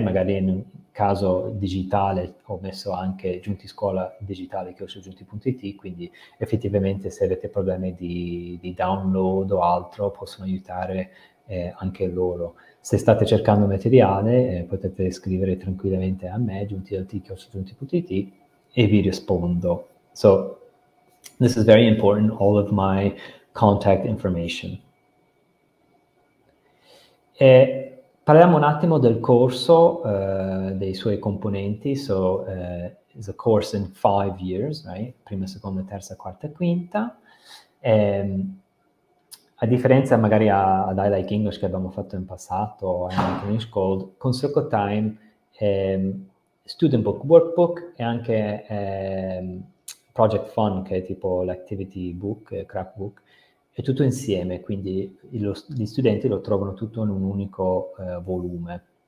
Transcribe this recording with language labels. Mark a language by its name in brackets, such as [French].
[Italian] Magari in un caso digitale ho messo anche Giunti Scuola Digitale, giunti.it, quindi effettivamente se avete problemi di download o altro possono aiutare anche loro. Se state cercando materiale potete scrivere tranquillamente a me, giunti.it, e vi rispondo. [English] So, this is very important, all of my contact information. [Italian] E parliamo un attimo del corso, dei suoi componenti. [English] So, it's a course in 5 years, right? [Italian] Prima, seconda, terza, quarta, quinta. A differenza magari ad I Like English, che abbiamo fatto in passato, o in English Gold, con Circle Time, Student Book Workbook e anche Project Fun, che è tipo l'Activity Book, Craft Book, è tutto insieme, quindi gli studenti lo trovano tutto in un unico volume.